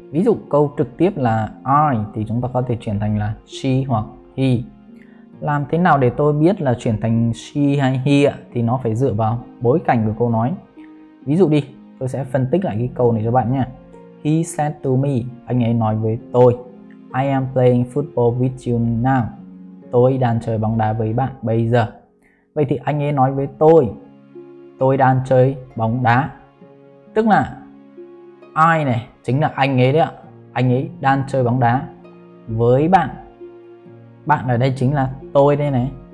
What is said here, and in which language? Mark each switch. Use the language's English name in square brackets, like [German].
[Vietnamese] Ví dụ câu trực tiếp là I thì chúng ta có thể chuyển thành là she hoặc he. Làm thế nào để tôi biết là chuyển thành she hay he ạ? Thì nó phải dựa vào bối cảnh của câu nói. Ví dụ đi, tôi sẽ phân tích lại cái câu này cho bạn nhé. [English] He said to me, [Vietnamese] anh ấy nói với tôi. [English] I am playing football with you now. [Vietnamese] Tôi đang chơi bóng đá với bạn bây giờ. Vậy thì anh ấy nói với tôi. Tôi đang chơi bóng đá. Tức là I này chính là anh ấy đấy ạ. Anh ấy đang chơi bóng đá với bạn. Bạn ở đây chính là tôi đây này.